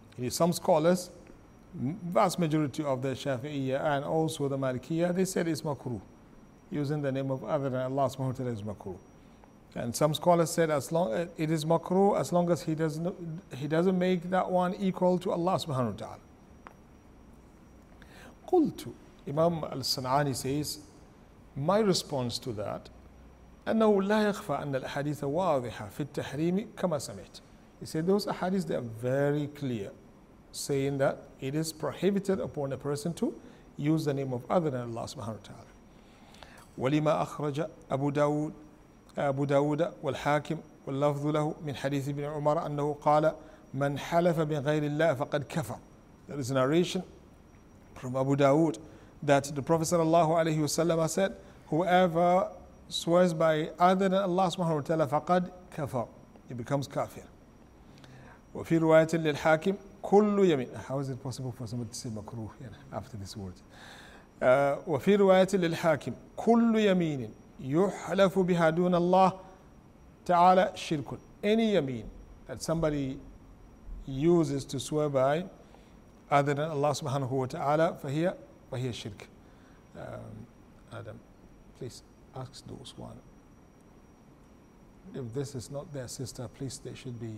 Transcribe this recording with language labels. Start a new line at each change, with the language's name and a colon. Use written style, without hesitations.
English: Some scholars, vast majority of the shafi'iyya and also the malikiyya, they said it's makruh. Using the name of other than Allah subhanahu wa ta'ala is makruh. And some scholars said it is makruh as long as he doesn't make that one equal to Allah subhanahu wa ta'ala. Qultu, Imam al-San'ani says, my response to that,
Arabic: أَنَّهُ لَا يَخْفَى أَنَّ الْحَدِيثَ وَاضِحَ فِي التَّحْرِيمِ كَمَا سَمِعْتَ.
English: He said those ahadiths, they are very clear, saying that it is prohibited upon a person to use the name of other than Allah subhanahu wa ta'ala.
Arabic: ولما أخرج أبو داود والحاكم واللفظ له من حديث ابن عمر أنه قال من حلف بغير الله فقد كفر.
English: There is a narration from Abu Dawood that the Prophet صلى الله عليه وسلم said, whoever swears by other than Allah سبحانه وتعالى
Arabic: فقد كفر.
English: He becomes كافر.
Arabic: وفي رواية للحاكم كل يمين.
English: How is it possible for somebody to say makruh after this word?
Arabic: وفي رواية للحاكم كل يمين يحلف بها دون الله تعالى شرك.
English: Any يمين that somebody uses to swear by other than Allah سبحانه وتعالى
Arabic: فهي شرك.
English: Adam, please ask those one. If this is not their sister, please they should.